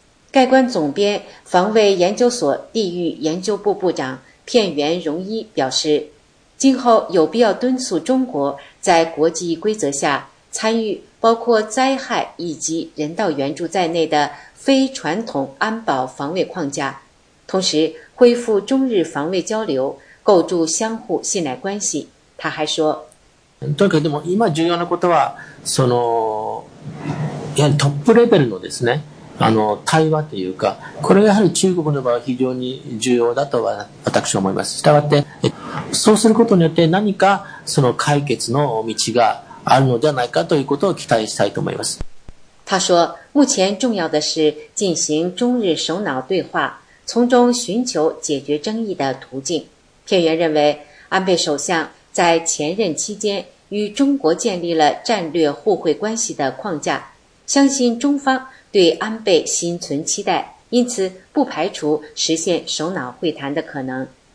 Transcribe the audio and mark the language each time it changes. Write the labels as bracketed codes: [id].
[zh] 概观总编、防卫研究所地域研究部部长片原荣一表示，今后有必要敦促中国在国际规则下参与包括灾害以及人道援助在内的非传统安保防卫框架，同时恢复中日防卫交流，构筑相互信赖关系。他还说， [ja] でも今重要なことはそのトップレベルのですね対話というか、これがやはり中国の場合非常に重要だとは私は思います。したがってそうすることによって何かその解決の道があるのではないかということを期待したいと思います。 [zh] 他说，目前重要的是进行中日首脑对话，从中寻求解决争议的途径。片原认为，安倍首相在前任期间与中国建立了战略互惠关系的框架，相信中方对安倍心存期待，因此不排除实现首脑会谈的可能。